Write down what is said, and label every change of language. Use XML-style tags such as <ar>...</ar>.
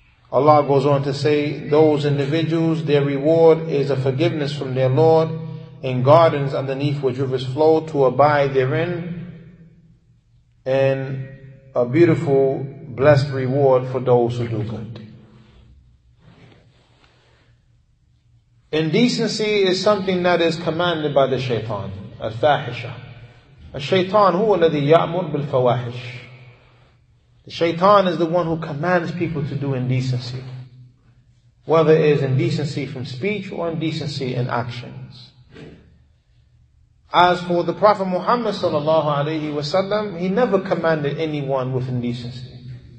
<en>Allah goes on to say, those individuals, their reward is a forgiveness from their Lord and gardens underneath which rivers flow to abide therein, and a beautiful, blessed reward for those who do good. Indecency is something that is commanded by the shaitan, al-fahisha.</en> <ar>Al-shaitan, هو الذي يأمر بالفواحش.</ar> <en>The shaitan is the one who commands people to do indecency, whether it is indecency from speech or indecency in actions. As for the Prophet Muhammad sallallahu alaihi wasallam, he never commanded anyone with indecency.</en>